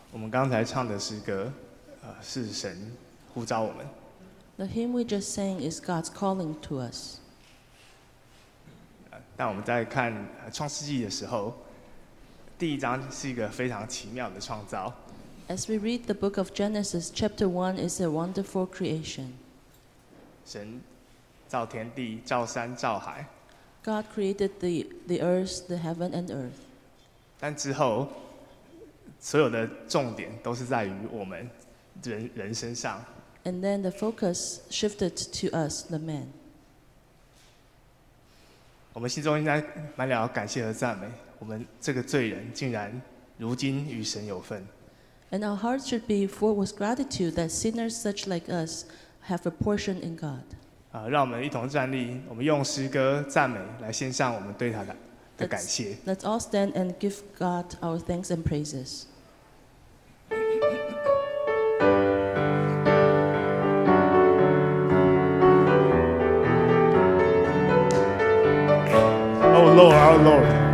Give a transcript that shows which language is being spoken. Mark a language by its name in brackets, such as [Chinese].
[Chinese] 刚才唱的诗歌，是神呼召我们。 [English] The hymn we just sang is God's calling to us. [Chinese] 但我们在看创世纪的时候，第一章是一个非常奇妙的创造。 [English] As we read the book of Genesis, chapter 1 is a wonderful creation. [Chinese] 神造天地，造山，造海。 [English] God created the earth, the heaven and earth. [Chinese] 但之后，所有的重点都是在于我们人身上。 [English] And then the focus shifted to us, the man. [Chinese] 我们心中应该满了感谢和赞美，我们这个罪人竟然如今与神有份。 [English] And our hearts should be filled with gratitude that sinners such like us have a portion in God. [Chinese] 让我们一同站立，我们用诗歌赞美来献上我们对他的感谢。 [English] Let's all stand and give God our thanks and praises. Oh Lord, our Lord.